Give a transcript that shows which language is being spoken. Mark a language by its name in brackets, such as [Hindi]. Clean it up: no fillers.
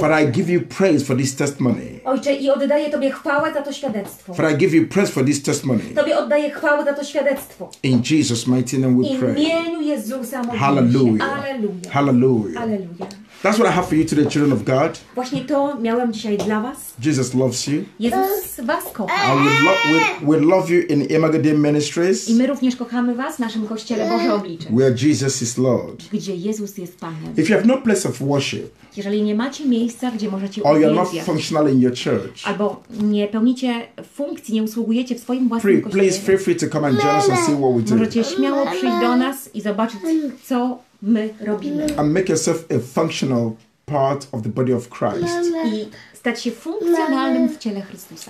[English] For I give you praise for this testimony. [Polish] Ojcze, i oddaję tobie chwałę za to świadectwo. [English] For I give you praise for this testimony. [Polish] Tobie oddaję chwałę za to świadectwo. [English] In Jesus' mighty name we pray. [Polish] W imieniu Jezusa modlę się. [English] Hallelujah. Hallelujah. Hallelujah. That's what I have for you today, children of God. [Polish] Właśnie to miałem dzisiaj dla was. [English] Jesus loves you. [Polish] Jezus was kocha. [English] We love you in Imagadim Ministries. [Polish] I my również kochamy was w naszym kościele Boże Oblicze. [English] Where Jesus is Lord. [Polish] Gdzie Jezus jest Panem. [English] If you have no place of worship. [Polish] Jeżeli nie macie miejsca, gdzie możecie uwielbiać. [English] Or you're not functional in your church. [Polish] Albo nie pełnicie funkcji, nie usługujecie w swoim własnym kościele. [English] Please feel free to come and join us and see what we do. [Polish] Możecie śmiało przyjść do nas i zobaczyć, co my robimy. [English] And make yourself a functional part of the body of Christ. [Polish] Stać się funkcjonalnym w ciele Chrystusa.